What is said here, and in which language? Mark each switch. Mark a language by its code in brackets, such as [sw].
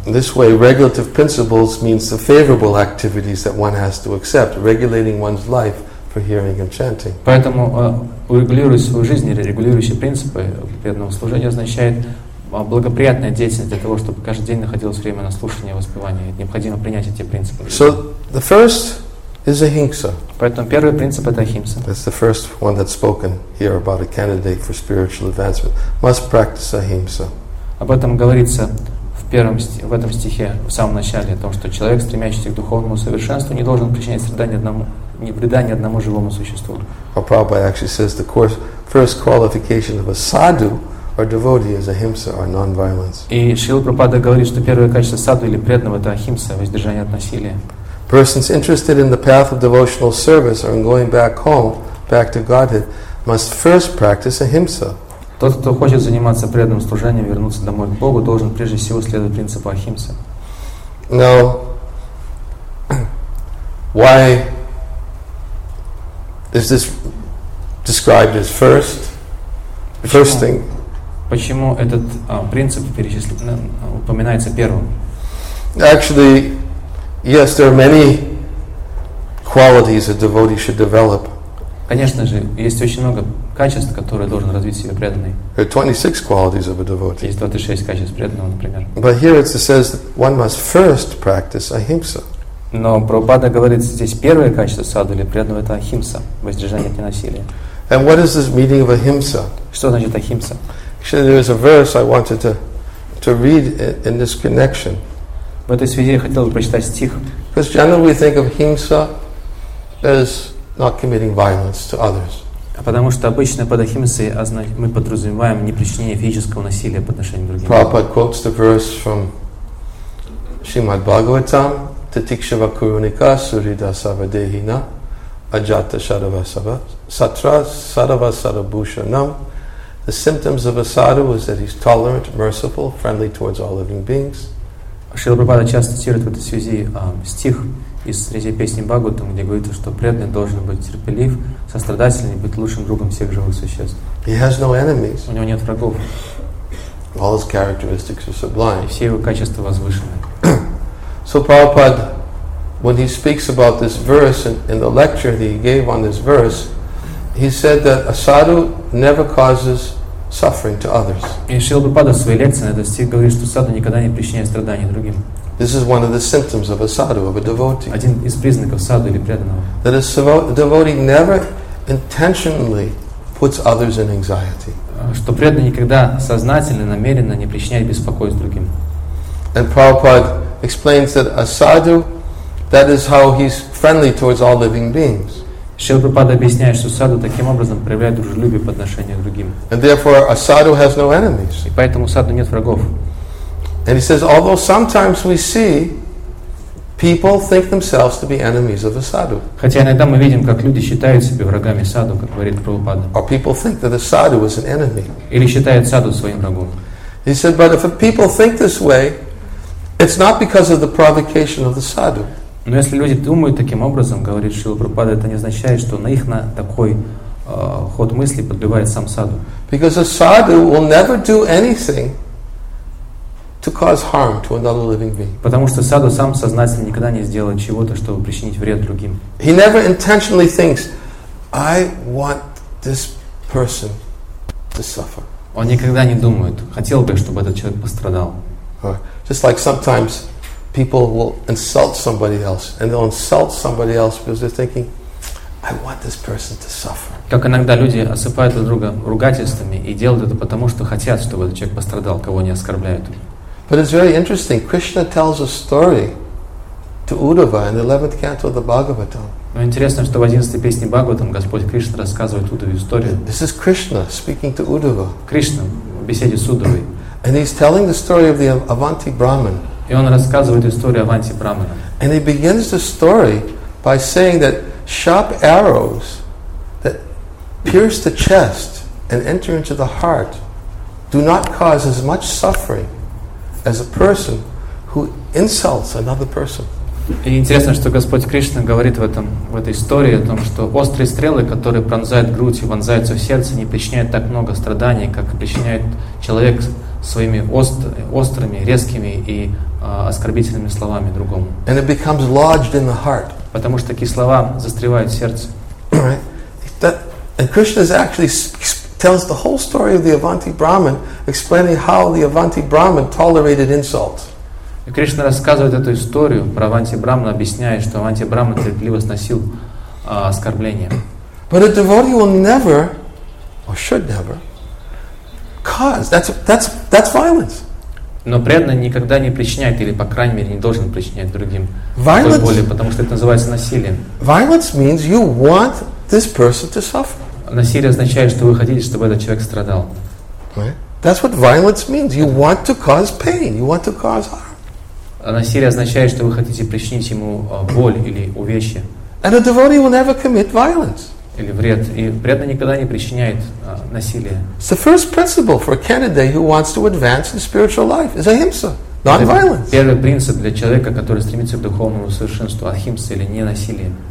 [en] This way, regulative principles means the favorable activities that one has to accept, regulating one's life for hearing and chanting. [ru] Поэтому урегулировать свою жизнь, регулирующие принципы преданного служения означает благоприятная деятельность для того, чтобы каждый день находилось время на слушание и воспевание. Необходимо принять эти принципы. [en] So the first is ahimsa. [ru] Поэтому первый принцип это ахимса. [en] That's the first one that's spoken here about a candidate for spiritual advancement must practice ahimsa. [ru] Об этом говорится в этом стихе, в самом начале, о том, что человек, стремящийся к духовному совершенству, не должен причинять вреда ни одному живому существу. [en] Or Prabhupada actually says the first qualification of a sadhu Our devotee is ahimsa or non-violence. [ru] И Шрила Прабхупада говорит, что первое качество саду или преданного это ахимса, воздержание от насилия. [en] Persons interested in the path of devotional service or in going back home, back to Godhead, must first practice ahimsa. [ru] Тот, кто хочет заниматься преданным служением, вернуться домой к Богу, должен прежде всего следовать принципу ахимса. [en] Now, why is this described as first thing? [ru] Почему этот принцип упоминается первым? [en] Actually, yes, there are many qualities a devotee should develop. [ru] Конечно же, есть очень много качеств, которые должен развить себе преданный. [en] There are 26 qualities of a devotee. [ru] Есть 26 качеств преданного, например. [en] But here it says that one must first practice ahimsa. [ru] Но Прабхупада говорит, здесь первое качество саду или преданного это ахимса, воздержание от ненасилия. [en] And what is this meaning of ahimsa? [ru] Что значит ахимса? [en] Actually, there is a verse I wanted to read in this connection. [ru] В этой связи я хотел бы прочитать стих. [en] Because generally we think of ahimsa as not committing violence to others. [ru] Потому что обычно под ахимсой мы подразумеваем не причинение физического насилия по отношению к другим. [en] Prabhupada quotes the verse from Srimad Bhagavatam: [sa] Tatikshava kurunika surida savadehina ajata sarvasava satra sarva sarabhushanam. [en] The symptoms of a sadhu is that he's tolerant, merciful, friendly towards all living beings. [ru] Шрила Прабхупада часто цитирует в этой связи стих из третьей песни Бхагаватам, где говорится, что преданный должен быть терпелив, сострадательный, быть лучшим другом всех живых существ. [en] He has no enemies. [ru] У него нет врагов. [en] All his characteristics are sublime. [ru] И все его качества возвышены. [en] So Prabhupada, when he speaks about this verse in the lecture that he gave on this verse, he said that a sadhu never causes suffering to others. [ru] И Шрила Прабхупада в своей лекции на этот стих говорит, что саду никогда не причиняет страдания другим. [en] This is one of the symptoms of a sadhu, of a devotee. [ru] Один из признаков саду или преданного. [en] That a devotee never intentionally puts others in anxiety. [ru] Что преданный никогда сознательно, намеренно не причиняет беспокойство другим. [en] And Prabhupada explains that a sadhu, that is how he's friendly towards all living beings. [ru] Шрила Прабхупада объясняет, что саду таким образом проявляет дружелюбие по отношению к другим. [en] And therefore, a sadhu has no enemies. [ru] И поэтому саду нет врагов. [en] And he says, although sometimes we see people think themselves to be enemies of a sadhu. [ru] Хотя иногда мы видим, как люди считают себя врагами саду, как говорит Прабхупада. [en] Or people think that a sadhu is an enemy. [ru] Или считают саду своим врагом. [en] He said, but if people think this way, it's not because of the provocation of the sadhu. [ru] Но если люди думают таким образом, говорит Шрила Прабхупада, это не означает, что на их на такой ход мысли подбивает сам саду. [en] Because a sadhu will never do anything to cause harm to another living being. [ru] Потому что саду сам сознательно никогда не сделает чего-то, чтобы причинить вред другим. [en] He never intentionally thinks, I want this person to suffer. [ru] Он никогда не думает, хотел бы, чтобы этот человек пострадал. [en] Just like sometimes people will insult somebody else, and they'll insult somebody else because they're thinking, I want this person to suffer. [ru] Как иногда люди осыпают друг друга ругательствами и делают это потому, что хотят, чтобы этот человек пострадал, кого они оскорбляют. [en] But it's very interesting. Krishna tells a story to Uddhava in the 11th canto of the Bhagavatam. [ru] Но интересно, что в 11-й песне Бхагаватам Господь Кришна рассказывает Уддхаве историю. [en] This is Krishna speaking to Uddhava. [ru] Кришна в беседе с Уддхавой. [en] And he's telling the story of the Avanti Brahman. [ru] И он рассказывает историю Аванти Брамана. [en] And he begins the story by saying that sharp arrows that pierce the chest and enter into the heart do not cause as much suffering as a person who insults another person. [ru] И интересно, что Господь Кришна говорит в этой истории о том, что острые стрелы, которые пронзают грудь и вонзаются в сердце, не причиняют так много страданий, как причиняет человек своими острыми, резкими и оскорбительными словами другому. [en] And it becomes lodged in the heart. [ru] Потому что такие слова застревают в сердце. [en] Right. That, and Krishna actually tells the whole story of the Avanti Brahman, explaining how the Avanti Brahman tolerated insult. [ru] И Кришна рассказывает эту историю про Аванти Брамана, объясняя, что Аванти Брамана терпеливо сносил оскорбления. [en] But a devotee will never, or should never, cause. That's violence. [ru] Но преданный никогда не причиняет, или, по крайней мере, не должен причинять другим боли, потому что это называется насилием. [en] Violence means you want this person to suffer. [ru] Насилие означает, что вы хотите, чтобы этот человек страдал. [en] Right? That's what violence means. You want to cause pain. You want to cause harm. [ru] Насилие означает, что вы хотите причинить ему боль или увечья. [en] And a devotee will never commit violence. [ru] Или вред. И преданный никогда не причиняет насилие. [en] It's the first principle for a candidate who wants to advance in spiritual life is ahimsa, non-violence. [ru] Первый принцип для человека, который стремится к духовному совершенству, ахимса или ненасилие.